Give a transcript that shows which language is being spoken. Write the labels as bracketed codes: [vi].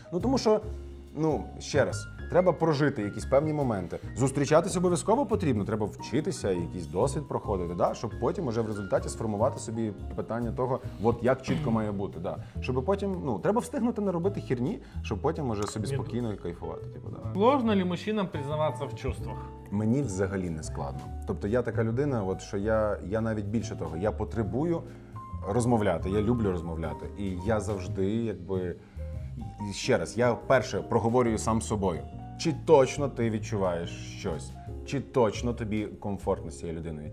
[uk] Ну, тому що, ну, ще раз, треба прожити якісь певні моменти. Зустрічатися обов'язково потрібно, треба вчитися, якийсь досвід проходити, да? Щоб потім уже в результаті сформувати собі питання того, от як чітко має бути. Да? Щоб потім, ну, треба встигнути не робити херні, щоб потім уже собі спокійно і кайфувати. Типу, да. [ru] Сложно ли мужчинам признаватися в чувствах? [uk] Мені взагалі не складно. Тобто я така людина, от, що я навіть більше того, я потребую розмовляти, я люблю розмовляти. І я завжди, якби... І ще раз, я перше проговорюю сам з собою. Чи точно ти відчуваєш щось? Чи точно тобі комфортно з цією людиною?